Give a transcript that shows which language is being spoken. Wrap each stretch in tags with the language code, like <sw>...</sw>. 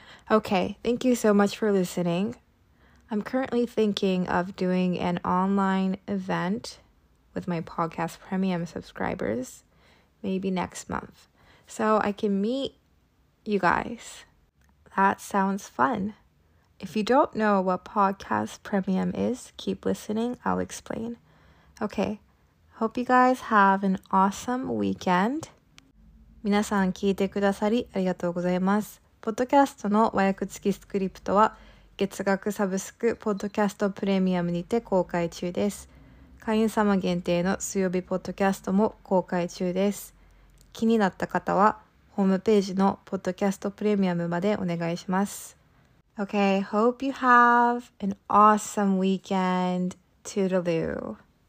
<en>Okay, thank you so much for listening. I'm currently thinking of doing an online event with my podcast premium subscribers, maybe next month, so I can meet you guys. That sounds fun. If you don't know what podcast premium is, keep listening. I'll explain. Okay, hope you guys have an awesome weekend.</en> <ja>皆さん聞いてくださりありがとうございます。ポッドキャストの和訳付きスクリプトは月額サブスクポッドキャストプレミアムにて公開中です。会員様限定の水曜日ポッドキャストも公開中です。気になった方はホームページのポッドキャストプレミアムまでお願いします。</ja> <en>Okay, hope you have an awesome weekend. Toodaloo.</en>